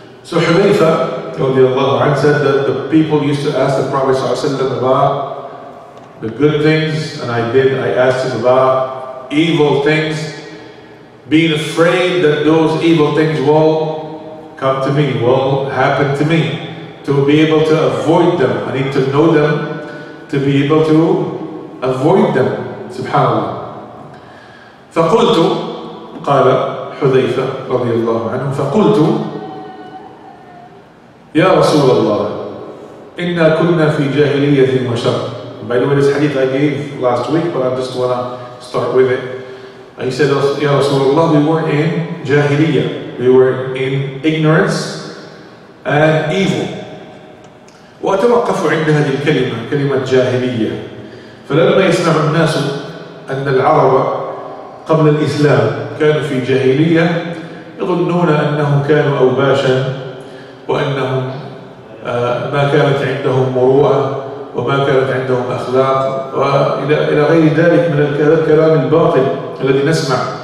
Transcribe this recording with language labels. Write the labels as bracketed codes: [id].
[en] So Hudhayfa said that the people used to ask the Prophet ﷺ about the good things, and I asked him about evil things, being afraid that those evil things will come to me, will happen to me. To be able to avoid them, I need to know them to be able to avoid them. Subhanallah. [ar] فقلت قال حذيفة رضي الله عنه فقلت يا رسول الله إنا كنا في جاهلية وشر. [en] By the way, this hadith I gave last week, but I just wanna start with it. He said, [ar] يا رسول الله, [en] we were in جاهلية, we were in ignorance and evil. [ar] وأتوقف عند هذه الكلمة كلمة جاهلية. فلما يسمع الناس أن العرب قبل الإسلام كانوا في جاهلية يظنون أنهم كانوا أوباشا وأنهم ما كانت عندهم مروءة وما كانت عندهم أخلاق وإلى غير ذلك من الكلام الباطل الذي نسمع.